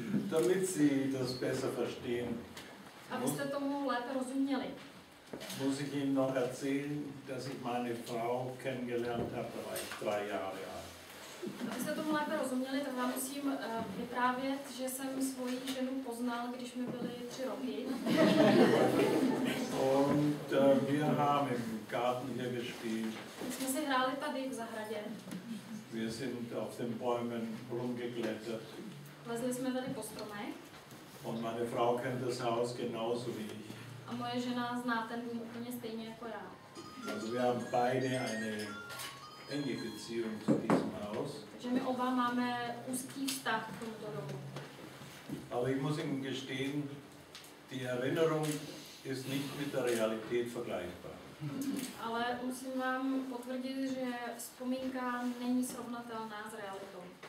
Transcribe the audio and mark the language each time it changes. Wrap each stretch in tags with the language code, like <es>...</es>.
<de>Damit Sie das besser verstehen.</de> <cs>Abyste tomu lépe rozuměli.</cs> <de>Muss ich Ihnen noch erzählen, dass ich meine Frau kennengelernt habe, da war ich 3 Jahre alt.</de> <cs>Abyste tomu lépe rozuměli, tak vám musím vyprávět, že jsem svoji ženu poznal, když mi byly 3 roky.</cs> <de>Und wir haben im Garten hier gespielt.</de> <cs>Jsme si hráli tady v zahradě.</cs> <de>Wir sind auf den Bäumen rumgeklettert.</de> <cs>Lezli jsme tady po stromech.</cs> <de>Und meine Frau kennt das Haus genauso wie ich.</de> <cs>A moje žena zná ten dům úplně stejně jako já.</cs> <de>Also wir haben beide eine enge Beziehung zu diesem Haus.</de> <cs>Takže my oba máme úzký vztah k tomuto domu.</cs> <de>Aber ich muss Ihnen gestehen, die Erinnerung ist nicht mit der Realität vergleichbar.</de> <cs>Ale musím vám potvrdit, že vzpomínka není srovnatelná s realitou.</cs>